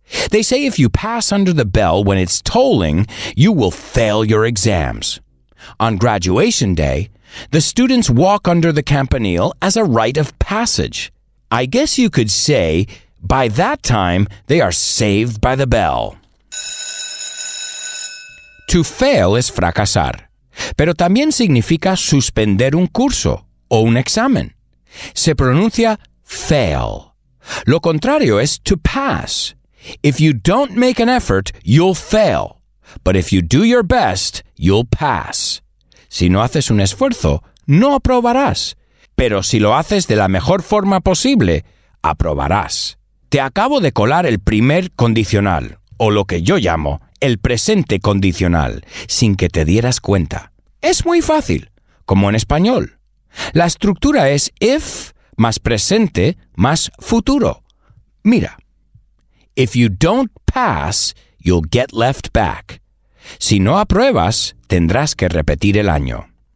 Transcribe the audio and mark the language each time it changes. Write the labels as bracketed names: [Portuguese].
[English] They say if you pass under the bell when it's tolling, you will fail your exams. On graduation day, the students walk under the campanile as a rite of passage. I guess you could say, by that time, they are saved by the bell. To fail is fracasar. [Spanish] Pero también significa suspender un curso o un examen. Se pronuncia fail. Lo contrario es to pass. [English] If you don't make an effort, you'll fail. But if you do your best, you'll pass. [Spanish] Si no haces un esfuerzo, no aprobarás. Pero si lo haces de la mejor forma posible, aprobarás. Te acabo de colar el primer condicional, o lo que yo llamo el presente condicional, sin que te dieras cuenta. Es muy fácil, como en español. La estructura es if más presente más futuro. Mira. [English] If you don't pass, you'll get left back. [Spanish] Si no apruebas, tendrás que repetir el año.